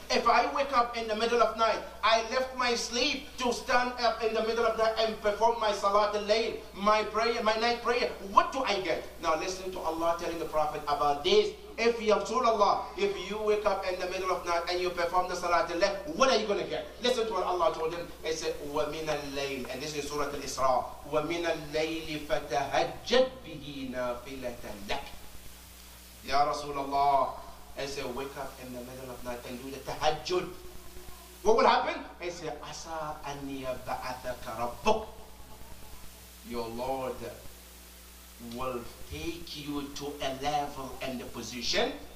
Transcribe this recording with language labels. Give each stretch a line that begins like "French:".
English: If I wake up in the middle of night, I left my sleep to stand up in the middle of night and perform my Salat al-Layl, my prayer, my night prayer, what do I get? Now listen to Allah telling the Prophet about this. If you absolve Allah, if you wake up in the middle of night and you perform the Salat al-Layl, what are you going to get? Listen to what Allah told him. He said,
Arabic: وَمِنَ اللَّيْلِ,
English: and this is Surah Al-Isra,
Arabic: وَمِنَ اللَّيْلِ فَتَهَجَّدْ بِهِ نَافِلَةً لَكْ.
English: Ya Rasulullah, he said, wake up in the middle of night and do the tahajjud. What will happen? He said,
Arabic: أَسَىٰ أَنْ يَبْعَثَكَ رَبُّكَ.
English: Your Lord will take you to a level and a position.